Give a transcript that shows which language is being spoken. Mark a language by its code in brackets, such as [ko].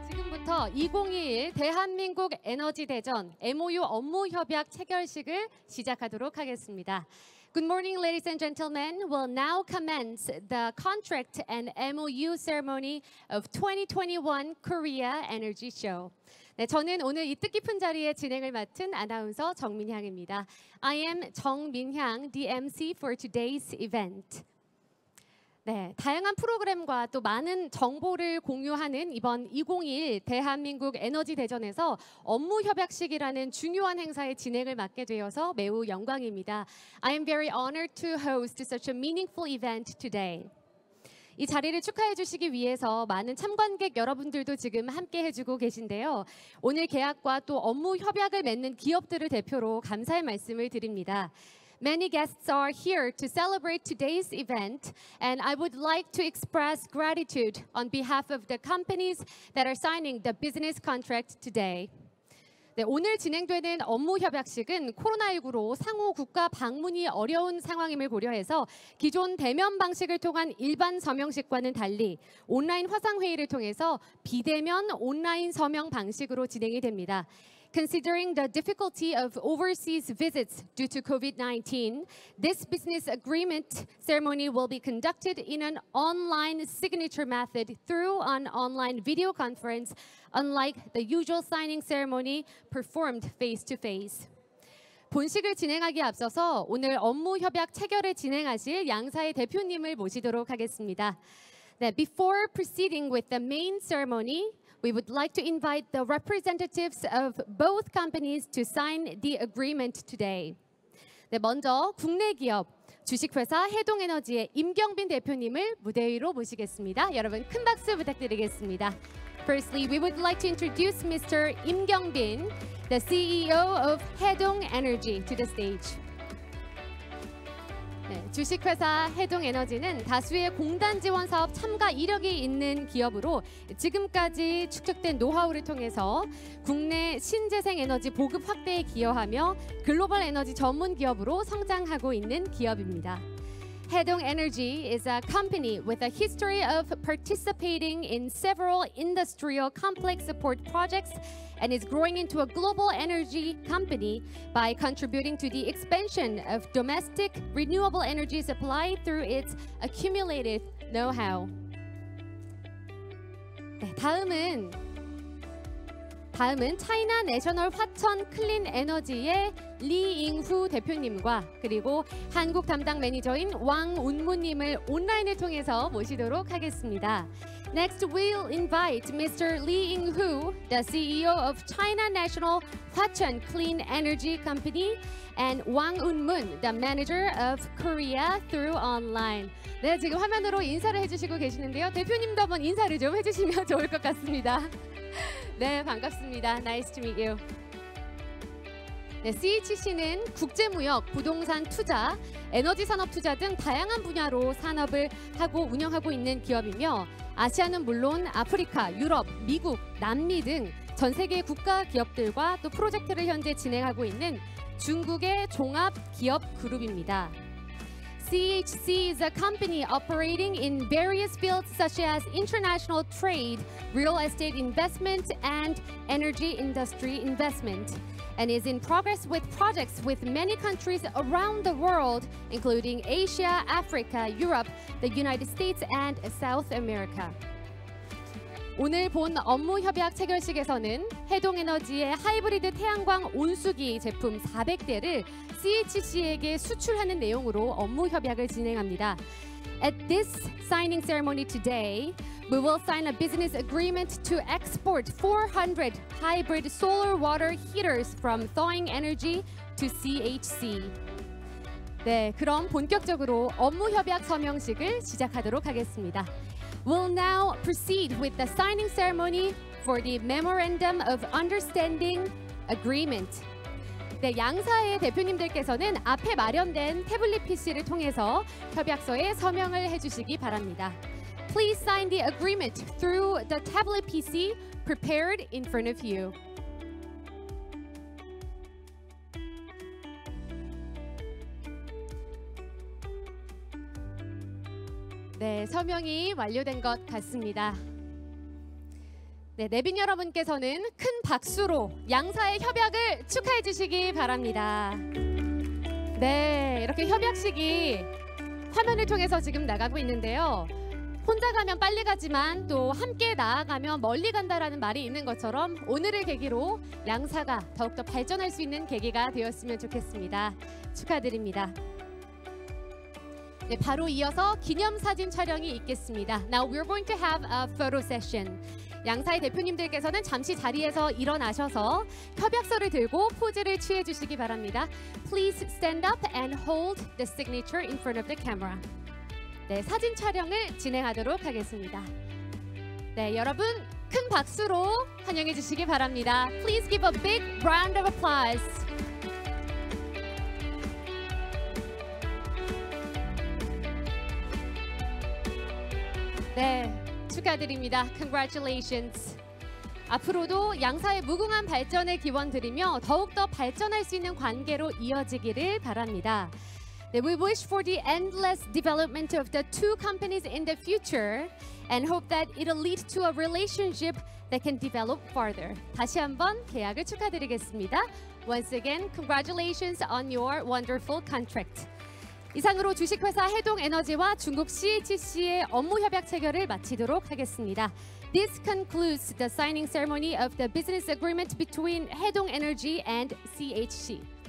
[ko] 부터 2021 대한민국 에너지 대전 MOU 업무 협약 체결식을 시작하도록 하겠습니다. [en] Good morning, ladies and gentlemen. We'll now commence the contract and MOU ceremony of 2021 Korea Energy Show. [ko] 네, 저는 오늘 이 뜻깊은 자리에 진행을 맡은 아나운서 정민향입니다. [en] I am 정민향, the MC for today's event. [ko] 네, 다양한 프로그램과 또 많은 정보를 공유하는 이번 2021 대한민국 에너지 대전에서 업무 협약식이라는 중요한 행사의 진행을 맡게 되어서 매우 영광입니다. [en] I am very honored to host such a meaningful event today. [ko] 이 자리를 축하해 주시기 위해서 많은 참관객 여러분들도 지금 함께 해주고 계신데요. 오늘 계약과 또 업무 협약을 맺는 기업들을 대표로 감사의 말씀을 드립니다. [en] Many guests are here to celebrate today's event, and I would like to express gratitude on behalf of the companies that are signing the business contract today. [ko] 네, 오늘 진행되는 업무 협약식은 코로나19로 상호 국가 방문이 어려운 상황임을 고려해서 기존 대면 방식을 통한 일반 서명식과는 달리 온라인 화상 회의를 통해서 비대면 온라인 서명 방식으로 진행이 됩니다. [en] Considering the difficulty of overseas visits due to COVID-19, this business agreement ceremony will be conducted in an online signature method through an online video conference, unlike the usual signing ceremony performed face-to-face. [ko] 본식을 진행하기 앞서서 오늘 업무 협약 체결을 진행하실 양사의 대표님을 모시도록 하겠습니다. [en] Now, before proceeding with the main ceremony, we would like to invite the representatives of both companies to sign the agreement today. [ko] 네, 먼저 국내 기업 주식회사 해동에너지의 임경빈 대표님을 무대 위로 모시겠습니다. 여러분 큰 박수 부탁드리겠습니다. [en] Firstly, we would like to introduce Mr. 임경빈, the CEO of 해동 Energy, to the stage. [ko] 네, 주식회사 해동에너지는 다수의 공단 지원 사업 참가 이력이 있는 기업으로 지금까지 축적된 노하우를 통해서 국내 신재생에너지 보급 확대에 기여하며 글로벌 에너지 전문 기업으로 성장하고 있는 기업입니다. [en] 해동 Energy is a company with a history of participating in several industrial complex support projects and is growing into a global energy company by contributing to the expansion of domestic renewable energy supply through its accumulated know-how. [ko] 네, 다음은 차이나 내셔널 화천 클린 에너지의 리잉후 대표님과 그리고 한국 담당 매니저인 왕 운무님을 온라인을 통해서 모시도록 하겠습니다. [en] Next, we'll invite Mr. Lee Ing-hu, the CEO of China National Hwacheon Clean Energy Company, and Wang Eun-moon, the manager of Korea Through Online. [ko] 네, 지금 화면으로 인사를 해주시고 계시는데요. 대표님도 한번 인사를 좀 해주시면 좋을 것 같습니다. 네, 반갑습니다. [en] Nice to meet you. [ko] 네, CHC는 국제무역, 부동산 투자, 에너지 산업 투자 등 다양한 분야로 산업을 하고 운영하고 있는 기업이며 아시아는 물론 아프리카, 유럽, 미국, 남미 등 전 세계 국가 기업들과 또 프로젝트를 현재 진행하고 있는 중국의 종합 기업 그룹입니다. [en] CHC is a company operating in various fields such as international trade, real estate investment, and energy industry investment, and is in progress with projects with many countries around the world, including Asia, Africa, Europe, the United States, and South America. [ko] 오늘 본 업무 협약 체결식에서는 해동에너지의 하이브리드 태양광 온수기 제품 400대를 CHC에게 수출하는 내용으로 업무 협약을 진행합니다. [en] At this signing ceremony today, we will sign a business agreement to export 400 hybrid solar water heaters from Thawing Energy to CHC. [ko] 네, 그럼 본격적으로 업무 협약 서명식을 시작하도록 하겠습니다. [en] We'll now proceed with the signing ceremony for the Memorandum of Understanding Agreement. [ko] 네, 양사의 대표님들께서는 앞에 마련된 태블릿 PC를 통해서 협약서에 서명을 해주시기 바랍니다. [en] Please sign the agreement through the tablet PC prepared in front of you. [ko] 네, 서명이 완료된 것 같습니다. 네, 내빈 여러분께서는 큰 박수로 양사의 협약을 축하해 주시기 바랍니다. 네, 이렇게 협약식이 화면을 통해서 지금 나가고 있는데요. 혼자 가면 빨리 가지만 또 함께 나아가면 멀리 간다라는 말이 있는 것처럼 오늘을 계기로 양사가 더욱더 발전할 수 있는 계기가 되었으면 좋겠습니다. 축하드립니다. 네, 바로 이어서 기념사진 촬영이 있겠습니다. [en] Now we're going to have a photo session. [ko] 양사의 대표님들께서는 잠시 자리에서 일어나셔서 협약서를 들고 포즈를 취해 주시기 바랍니다. [en] Please stand up and hold the signature in front of the camera. [ko] 네, 사진 촬영을 진행하도록 하겠습니다. 네, 여러분 큰 박수로 환영해 주시기 바랍니다. [en] Please give a big round of applause. [ko] 네, 축하드립니다. [en] Congratulations. [ko] 앞으로도 양사의 무궁한 발전을 기원드리며 더욱더 발전할 수 있는 관계로 이어지기를 바랍니다. [en] We wish for the endless development of the two companies in the future and hope that it'll lead to a relationship that can develop further. [ko] 다시 한번 계약을 축하드리겠습니다. [en] Once again, congratulations on your wonderful contract. [ko] 이상으로 주식회사 해동에너지와 중국 CHC의 업무 협약 체결을 마치도록 하겠습니다. [en] This concludes the signing ceremony of the business agreement between 해동에너지 and CHC.